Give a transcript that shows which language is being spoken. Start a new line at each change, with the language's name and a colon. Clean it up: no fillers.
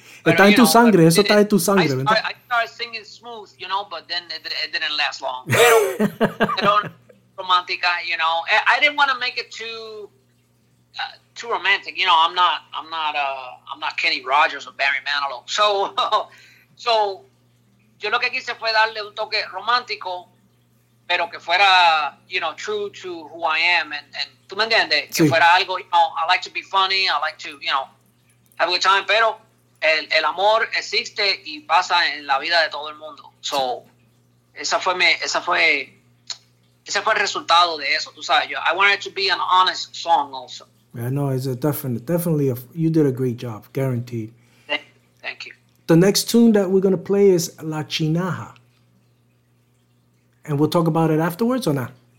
Spanish: Está en tu sangre, eso está en tu sangre.
English: I started singing smooth, you know, but then it didn't last long.
Spanish: Pero, romántica,
English: you know, I didn't want to make it too romantic, you know, I'm not Kenny Rogers or Barry Manilow, so...
Spanish: Yo lo que quise fue darle un toque romántico, pero que fuera,
English: you know, true to who I am. And
Spanish: tú me entiendes, sí. Que fuera algo,
English: you know, I like to be funny, I like to, you know, have a good time.
Spanish: Pero el amor existe y pasa en la vida de todo el mundo. So, ese fue el resultado de eso, tú sabes.
English: I wanted it to be an honest song also. Yeah, no, it's definitely, you did a great job, guaranteed. Thank you. The next tune that we're going to play is La Chinaja. And we'll talk about it afterwards or not?